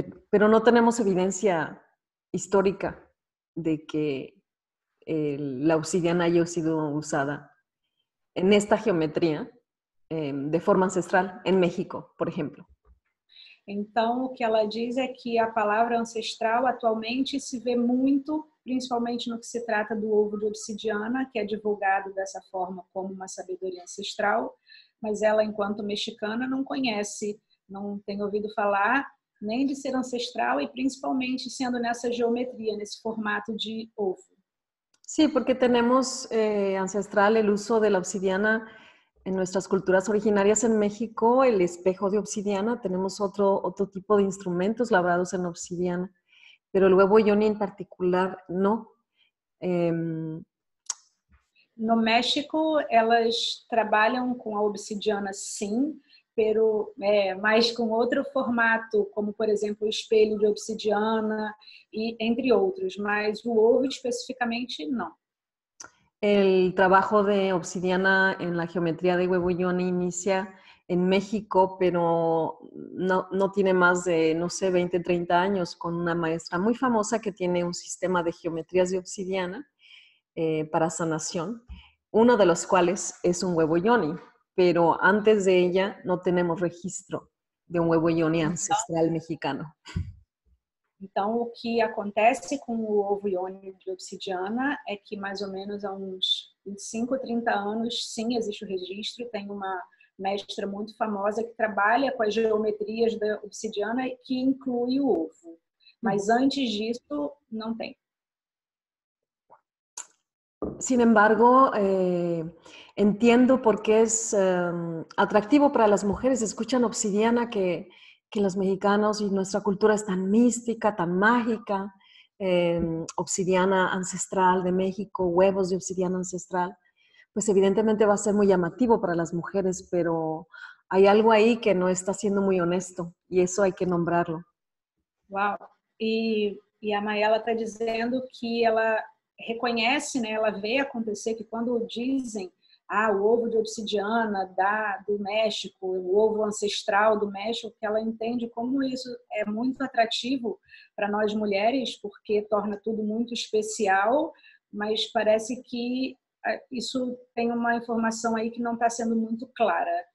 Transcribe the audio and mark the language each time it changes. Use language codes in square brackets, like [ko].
[es] Pero no tenemos evidencia histórica de que la obsidiana haya sido usada en esta geometría de forma ancestral en México, por ejemplo. [pt] Então, o que ela diz é que a palavra ancestral atualmente se vê muito, principalmente no que se trata do ovo de obsidiana, que é divulgado dessa forma como uma sabedoria ancestral, mas ela, enquanto mexicana, não conhece, não tem ouvido falar nem de ser ancestral e principalmente sendo nessa geometria, nesse formato de ovo. [es] Sí, porque tenemos ancestral el uso de la obsidiana en nuestras culturas originarias en México, el espejo de obsidiana, tenemos otro tipo de instrumentos labrados en obsidiana, pero el huevo yoni en particular no. [pt] No México, elas trabalham com a obsidiana, sim, pero mais com outro formato, como, por exemplo, o espelho de obsidiana, e entre outros, mas o ovo especificamente, não. [es] El trabajo de obsidiana en la geometría de huevo yoni inicia en México, pero no tiene más de, no sé, 20, 30 años con una maestra muy famosa que tiene un sistema de geometrías de obsidiana para sanación, uno de los cuales es un huevo yoni, pero antes de ella no tenemos registro de un huevo yoni ancestral mexicano. [pt] Então, o que acontece com o ovo Yoni de obsidiana é que, mais ou menos, há uns 25, 30 anos, sim, existe o registro. Tem uma mestra muito famosa que trabalha com as geometrias da obsidiana e que inclui o ovo. Mas antes disso, não tem. [es] Sin embargo, entiendo por qué es atractivo para las mujeres. Escuchan obsidiana, que los mexicanos y nuestra cultura es tan mística, tan mágica. Obsidiana ancestral de México, huevos de obsidiana ancestral, pues evidentemente va a ser muy llamativo para las mujeres, pero hay algo ahí que no está siendo muy honesto y eso hay que nombrarlo. Wow. Y a Mayela está diciendo que [pt] ella reconoce, né, ela vê acontecer que quando dizem, ah, o ovo de obsidiana do México, o ovo ancestral do México, que ela entende como isso é muito atrativo para nós mulheres, porque torna tudo muito especial, mas parece que isso tem uma informação aí que não está sendo muito clara.